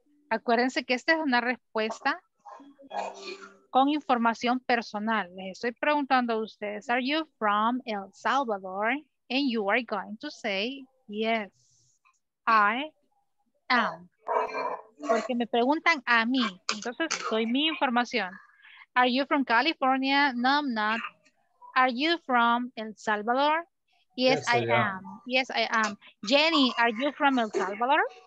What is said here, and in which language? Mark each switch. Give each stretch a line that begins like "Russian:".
Spanish: Acuérdense que esta es una respuesta con información personal. Les estoy preguntando a ustedes,
English: are you from El Salvador? And you are going to say, yes, I am.
Spanish: Porque me preguntan a mí, entonces doy mi información.
English: Are you from California? No, I'm not. Are you from El Salvador? Yes, I am. Yes, I am. Jenny, are you from El Salvador?